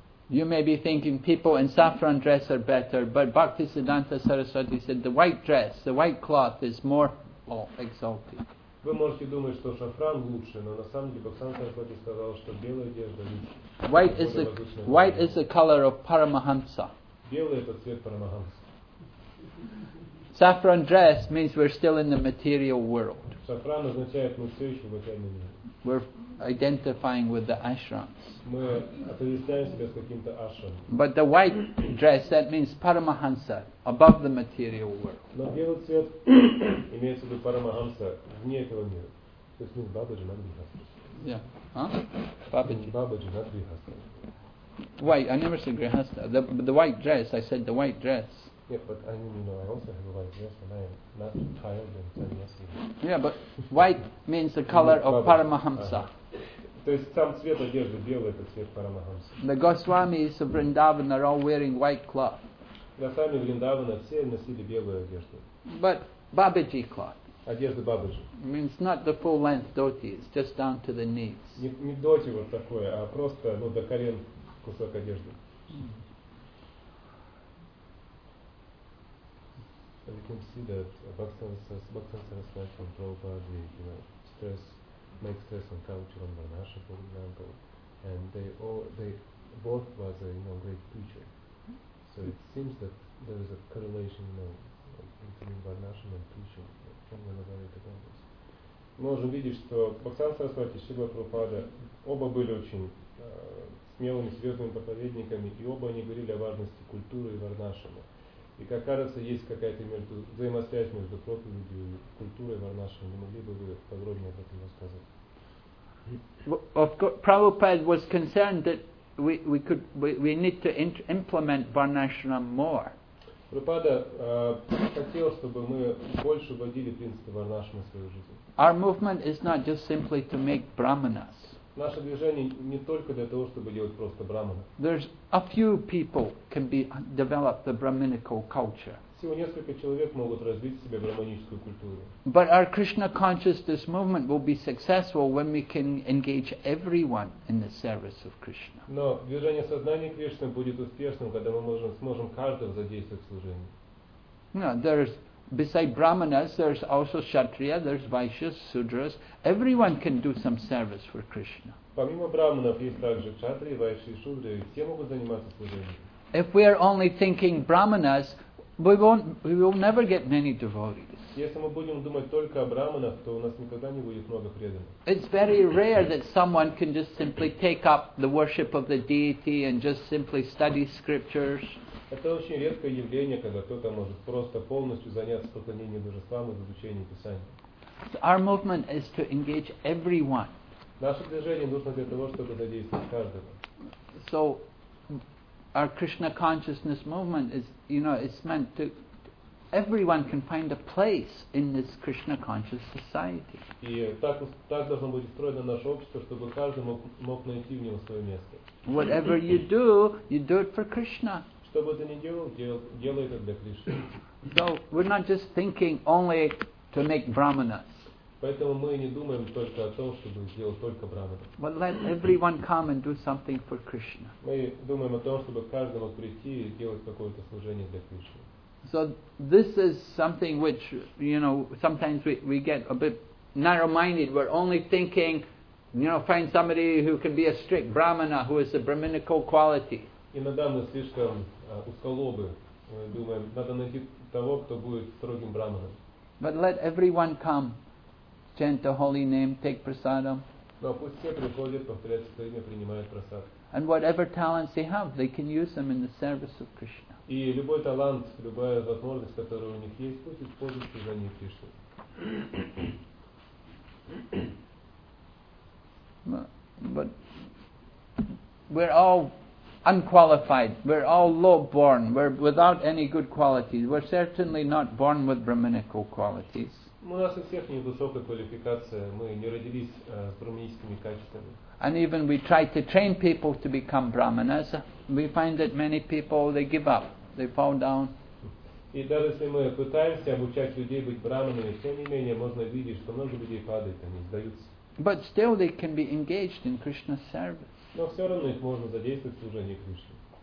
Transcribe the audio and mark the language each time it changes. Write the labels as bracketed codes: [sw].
[en] You may be thinking people in saffron dress are better, but Bhaktisiddhanta Saraswati said the white dress, the white cloth is more exalted. [ru] Вы можете думать, что шафран лучше, но на самом деле Бхактисиддханта сказал, что белая одежда лучше. [en] White is the color of Paramahamsa. [ru] Белый — это цвет Парамахамса. [en] Saffron dress means we're still in the material world. [ru] Шафран означает, мы все еще в материальном мире. [en] We're identifying with the ashrams. [ru] Мы отождествляем себя с каким-то ашрамом. [en] But the white dress, that means Paramahamsa, above the material world. [ru] Но белый цвет имеется в виду Paramahamsa вне этого мира. То есть мы в Бабаджи на Дрихасе. Бабаджи на Дрихасе. [en] Why? I never said Grihastha. The white dress, I said the white dress. Yeah, but I mean, you know, I also have a white dress and I am not tired and said yes. Yeah, but white means the color of Paramahamsa. [ru] То есть сам цвет одежды белый — это цвет Парамахамса. [en] The Goswamis of Vrindavan are all wearing white cloth. [ru] Госвами Вриндавана все носили белую одежду. [en] But Бабаджи cloth. [ru] Одежда Бабаджи. [en] Means not the full length dhoti, it's just down to the knees. [ru] Не dhoti вот такое, а просто, ну, до колен кусок одежды. [en] So we can see that Bhaktisiddhanta Prabhupada, you know, makes stress on culture on Varnasha, for example, and they both was a, you know, great preacher. So it seems that there is a correlation, you know, between Varnasha and preaching from one of the examples. [ru] Мы можем видеть, что Бхактисиддханта и Шрила Прабхупада оба были очень смелыми, серьезными проповедниками, и оба они говорили о важности культуры и Варнашамы. И как кажется, есть какая-то взаимосвязь между проповедью и культурой Варнашрама. Не могли бы вы подробнее об этом рассказать? [en] Prabhupada was concerned that we need to implement Varnashrama more. [ru] Prabhupada хотел, чтобы мы больше вводили принципы Варнашрама в свою жизнь. [en] Our movement is not just simply to make brahmanas. [ru] Наше движение не только для того, чтобы делать просто брахманов. [en] There's a few people can be develop the brahminical culture. [ru] Всего несколько человек могут развить в себе брахманическую культуру. [en] But our Krishna consciousness movement will be successful when we can engage everyone in the service of Krishna. [ru] Но движение сознания Кришны будет успешным, когда мы сможем каждого задействовать в служении. [en] No, there's besides brahmanas, there's also kshatriya, there's vaishyas, sudras. Everyone can do some service for Krishna. [ru] Помимо брахманов есть также кшатрии, вайши, шудры, все могут заниматься служением. [en] If we are only thinking brahmanas, we will never get many devotees. [ru] Если мы будем думать только о брахманах, то у нас никогда не будет много преданных. [en] It's very rare that someone can just simply take up the worship of the deity and just simply study scriptures. [ru] Это очень редкое явление, когда кто-то может просто полностью заняться поклонением божествам и изучением Писания. [en] So our movement is to engage everyone. [ru] Наше движение нужно для того, чтобы задействовать каждого. [en] So our Krishna consciousness movement is, you know, it's meant to everyone can find a place in this Krishna conscious society. [ru] И так должно быть устроено наше общество, чтобы каждый мог найти в него свое место. [en] Whatever you do it for Krishna. [ru] Что бы ты ни делал, делай это для Кришны. [en] So we're not just thinking only to make brahmanas. [ru] Поэтому мы не думаем только о том, чтобы сделать только Брахмана. [en] But let everyone come and do something for Krishna. [ru] Мы думаем о том, чтобы каждому прийти и делать какое-то служение для Кришны. [en] So this is something which, you know, sometimes we get a bit narrow-minded. We're only thinking, you know, find somebody who can be a strict Brahmana, who has a brahminical quality. [ru] Иногда мы слишком узколобы. Мы думаем, надо найти того, кто будет строгим Брахманом. [en] But let everyone come. Chant the holy name, take prasadam. [ru] Но пусть все приходят, повторяют свое имя, принимают прасад. [en] And whatever talents they have, they can use them in the service of Krishna. [ru] И любой талант, любая возможность, которая у них есть, пусть используют в служении Кришне. [en] But we're all unqualified. We're all low-born. We're without any good qualities. We're certainly not born with brahminical qualities. [ru] У нас у всех невысокая квалификация, мы не родились с брахманическими качествами. [en] And even we try to train people to become brahmanas, we find that many people, they give up, they fall down. [ru] И даже если мы пытаемся обучать людей быть брахманами, тем не менее можно видеть, что много людей падают, они сдаются. [en] But still they can be engaged in Krishna's service. [ru] Но все равно их можно задействовать в служении Кришне.